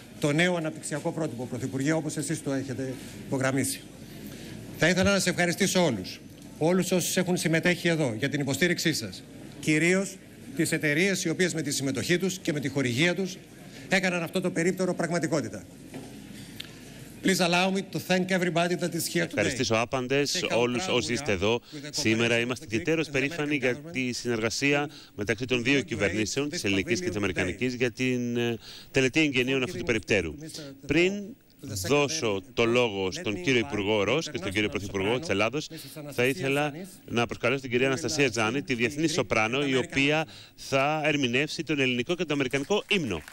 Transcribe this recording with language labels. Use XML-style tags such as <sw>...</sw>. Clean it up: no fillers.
<el>Το νέο αναπτυξιακό πρότυπο, Πρωθυπουργέ, όπως εσείς το έχετε υπογραμμίσει. Θα ήθελα να σε ευχαριστήσω όλους, όλους όσους έχουν συμμετέχει εδώ για την υποστήριξή σας, κυρίως τις εταιρείες οι οποίες με τη συμμετοχή τους και με τη χορηγία τους έκαναν αυτό το περίπτερο πραγματικότητα.</el> <en>Please allow me to thank everybody that is here today.</en> <el>Ευχαριστήσω άπαντες όλους όσοι είστε εδώ. Σήμερα είμαστε ιδιαίτερως περήφανοι για τη συνεργασία μεταξύ των δύο κυβερνήσεων, της ελληνικής και της αμερικανικής, για την τελετή εγγενείων αυτού του περιπτέρου. Πριν δώσω το λόγο στον κύριο Υπουργό Ρος και στον κύριο Πρωθυπουργό της Ελλάδος, θα ήθελα να προσκαλέσω την κυρία Αναστασία Τζάνη, τη διεθνή σοπράνο, η οποία θα ερμηνεύσει τον ελληνικό και τον αμερικανικό ύμνο.</el>